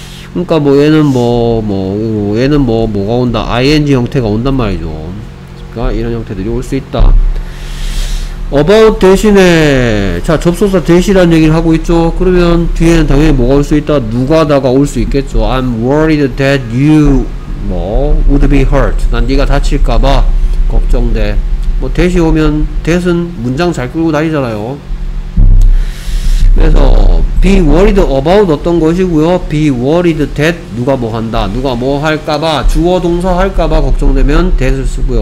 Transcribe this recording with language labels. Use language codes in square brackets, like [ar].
[ko] 그러니까 뭐 얘는 뭐가 온다. ing 형태가 온단 말이죠. 그러니까 이런 형태들이 올 수 있다. about 대신에 자 접속사 대시라는 얘기를 하고 있죠. 그러면 뒤에는 당연히 뭐가 올 수 있다. 누가다가 올 수 있겠죠. [en] I'm worried that you 뭐 would be hurt. [ko] 난 네가 다칠까봐 걱정돼. 뭐 대시 오면 대신 문장 잘 끌고 다니잖아요. 그래서 be worried about 어떤 것이고요. be worried that 누가 뭐 한다. 누가 뭐 할까봐 주어 동사 할까봐 걱정되면 that을 쓰고요.